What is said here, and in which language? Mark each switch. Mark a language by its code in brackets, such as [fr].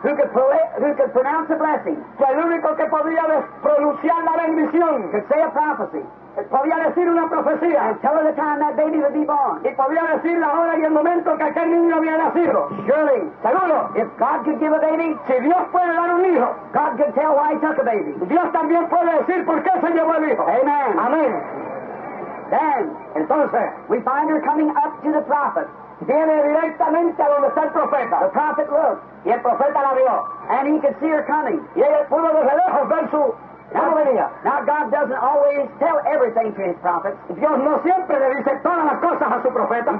[en] Who could pronounce a blessing. [es] Que el único que podía pronunciar la bendición. [en] Could say a prophecy. [es] Podía decir una profecía. [en] And tell her the time that baby would be born. [es] Y podía decir la hora y el momento que aquel niño había nacido. [en] Surely. [es] Seguro. [en] If God could give a baby. [es] Si Dios puede dar un hijo. [en] God could tell why he took a baby. [es] Dios también puede decir por qué se llevó el hijo. [en] Amen. [es] Amén. [en] Then. [es] Entonces. [en] We find her coming up to the prophet. [es] Viene directamente a donde está el profeta. [en] The prophet looked. [es] Y el profeta la vio. [en] And he could see her coming. [es] Y ella pudo desde lejos ver su... [en] Now God doesn't always tell everything to his prophets. [es] Dios no siempre le dice todas las cosas a su profeta.